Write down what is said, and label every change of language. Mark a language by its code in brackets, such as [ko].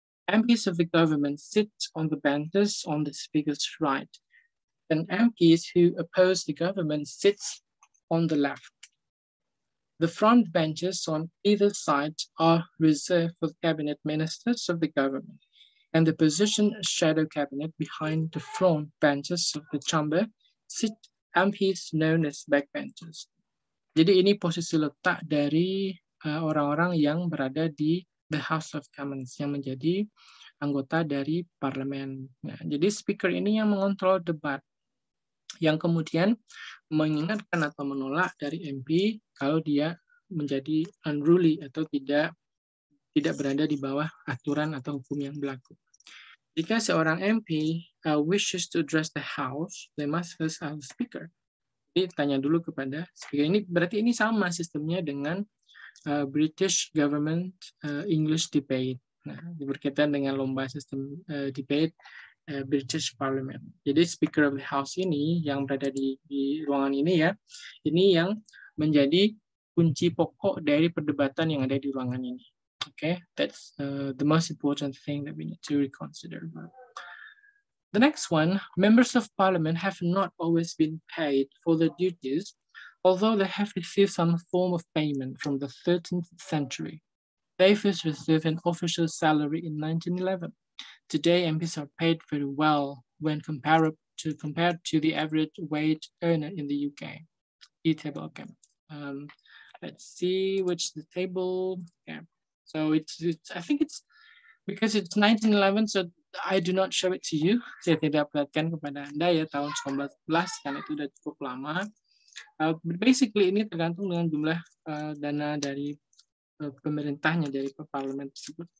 [en] MPs of the government sit on the benches on the speaker's right, and MPs who oppose the government sit on the left. The front benches on either side are reserved for cabinet ministers of the government, and the position shadow cabinet behind the front benches of the chamber sit MPs known as backbenchers. [id] Jadi ini posisi letak dari orang-orang yang berada di the House of Commons yang menjadi anggota dari parlemen. Nah, jadi speaker ini yang mengontrol debat, yang kemudian mengingatkan atau menolak dari MP kalau dia menjadi unruly atau tidak berada di bawah aturan atau hukum yang berlaku. Jika seorang [en] MP wishes to address the House, they must first ask the Speaker. [id] Jadi tanya dulu kepada Speaker. Ini berarti ini sama sistemnya dengan British Government English Debate. Nah, berkaitan dengan lomba sistem debate British Parliament. Jadi Speaker of the House ini yang berada di ruangan ini ya, ini yang menjadi kunci pokok dari perdebatan yang ada di ruangan ini. [en] Okay, that's the most important thing that we need to reconsider. The next one, members of parliament have not always been paid for their duties, although they have received some form of payment from the 13th century. They first received an official salary in 1911. Today, MPs are paid very well when compared to the average wage earner in the UK. E-table, okay. Let's see which the table. Yeah. So it's I think it's because it's 1911, so I do not show it to you. [id] Saya tidak perlihatkan kepada Anda ya tahun 1911 karena itu sudah cukup lama. [en] But basically [id] ini tergantung dengan jumlah dana dari pemerintahnya dari parlemen tersebut.